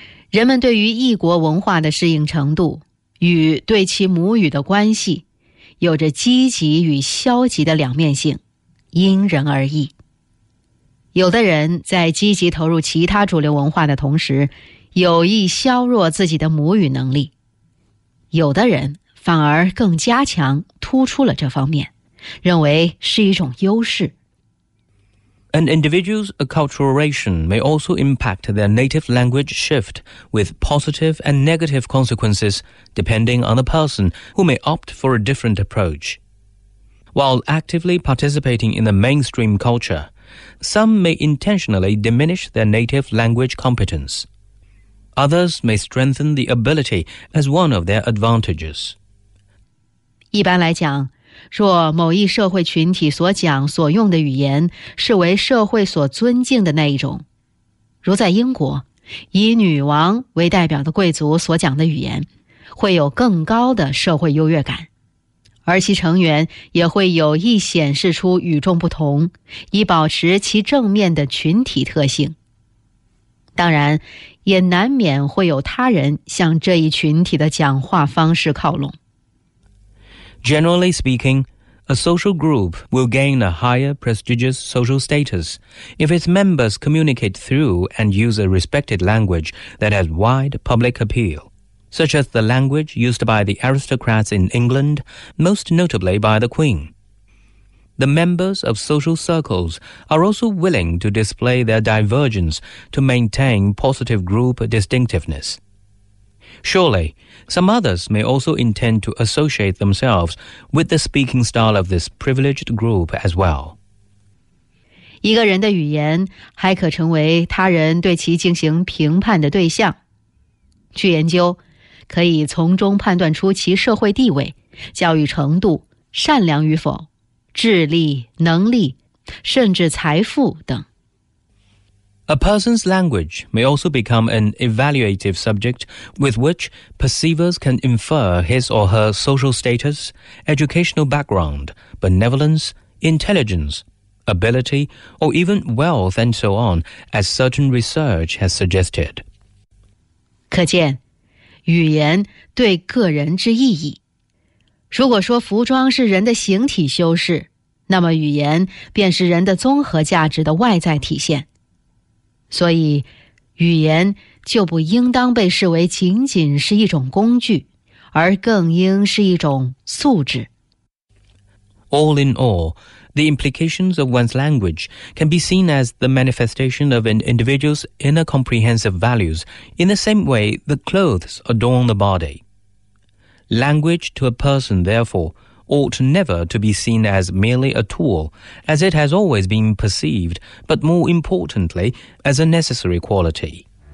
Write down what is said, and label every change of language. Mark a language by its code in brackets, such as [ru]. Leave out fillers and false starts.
[zh] 人们对于异国文化的适应程度与对其母语的关系有着积极与消极的两面性，因人而异。有的人在积极投入其他主流文化的同时有意削弱自己的母语能力，有的人反而更加强突出了这方面，认为是一种优势。 [en] An individual's acculturation may also impact their native language shift with positive and negative consequences depending on the person who may opt for a different approach. While actively participating in the mainstream culture, some may intentionally diminish their native language competence. Others may strengthen the ability as one of their advantages. [zh] 一般来讲，若某一社会群体所讲所用的语言是为社会所尊敬的那一种，如在英国，以女王为代表的贵族所讲的语言，会有更高的社会优越感，而其成员也会有意显示出与众不同，以保持其正面的群体特性。当然，也难免会有他人向这一群体的讲话方式靠拢。 [en] Generally speaking, a social group will gain a higher prestigious social status if its members communicate through and use a respected language that has wide public appeal, such as the language used by the aristocrats in England, most notably by the Queen. The members of social circles are also willing to display their divergence to maintain positive group distinctiveness. Surely, some others may also intend to associate themselves with the speaking style of this privileged group as well. [zh] 一个人的语言还可成为他人对其进行评判的对象。据研究，可以从中判断出其社会地位、教育程度、善良与否、智力、能力、甚至财富等。 [en] A person's language may also become an evaluative subject with which perceivers can infer his or her social status, educational background, benevolence, intelligence, ability, or even wealth and so on, as certain research has suggested. [zh] 可见，语言对个人之意义。如果说服装是人的形体修饰，那么语言便是人的综合价值的外在体现。所以，语言就不应当被视为仅仅是一种工具，而更应是一种素质。 [en] All in all, the implications of one's language can be seen as the manifestation of an individual's inner comprehensive values in the same way the clothes adorn the body. Language to a person, therefore,ought never to be seen as merely a tool, as it has always been perceived, but more importantly, as a necessary quality.